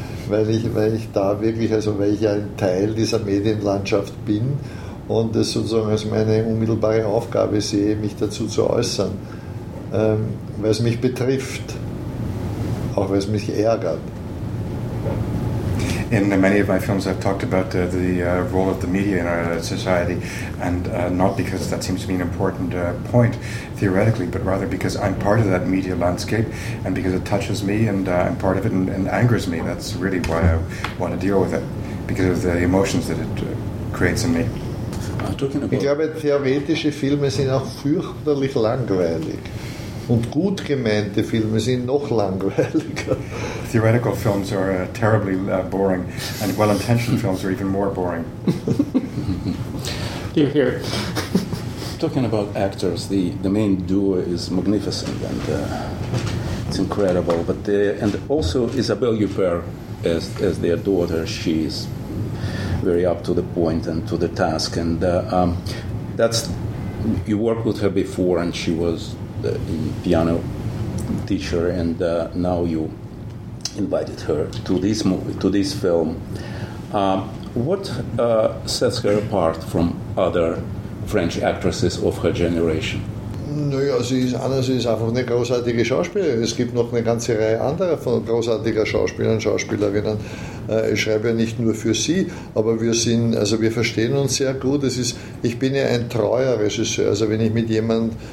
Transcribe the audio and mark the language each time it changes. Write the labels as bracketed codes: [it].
[de] Weil ich da wirklich, also weil ich ja ein Teil dieser Medienlandschaft bin und es sozusagen als meine unmittelbare Aufgabe sehe, mich dazu zu äußern. Weil es mich betrifft, auch weil es mich ärgert. [en] In many of my films I've talked about the role of the media in our society, and not because that seems to be an important point theoretically, but rather because I'm part of that media landscape and because it touches me and I'm part of it and angers me. That's really why I want to deal with it, because of the emotions that it creates in me. [de] Ich glaube, theoretische Filme sind auch fürchterlich langweilig. Und gut gemeinte Filme sind noch langweiliger. [en] Theoretical films are terribly boring, and well-intentioned films are even more boring. You're here. Talking about actors, the main duo is magnificent, and it's incredible. But and also Isabelle Huppert as their daughter, she's very up to the point and to the task. And that's, you worked with her before, and she was in piano teacher, and now you invited her to this movie, to this film. What sets her apart from other French actresses of her generation? [de] Naja, sie ist einfach eine großartige Schauspielerin. Es gibt noch eine ganze Reihe anderer von großartiger Schauspielern und Schauspielerinnen. Ich schreibe ja nicht nur für sie, aber wir verstehen uns sehr gut. Ich bin ja ein treuer Regisseur. Also wenn ich mit jemandem